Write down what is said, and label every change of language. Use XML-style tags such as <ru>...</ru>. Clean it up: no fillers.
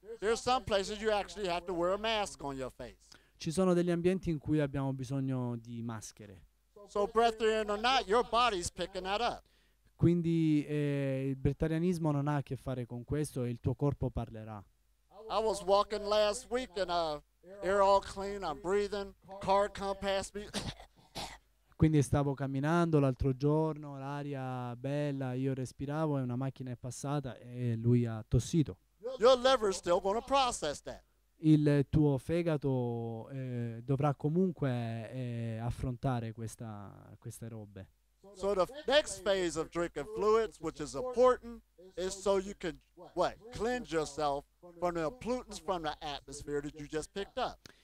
<en>There's some places you actually have to wear a mask on your face.</en> <it>Ci sono degli ambienti in cui abbiamo bisogno di maschere.</it> <en>So breathing or not, your body's picking that up.</en> <it>Quindi il breatharianismo non ha a che fare con questo e il tuo corpo parlerà.</it> <en>I was walking last week and air all clean, I'm breathing, car come past me.</en> <it>Quindi stavo camminando l'altro giorno, l'aria bella, io respiravo e una macchina è passata e lui ha tossito.</it> <en>Your liver is still going to process that.</en> <it>Il tuo fegato dovrà comunque affrontare queste robe.</it> <en>So the next phase of drinking fluids, which is important, is so you can what? Cleanse yourself from the pollutants from the atmosphere that you just picked up.</en>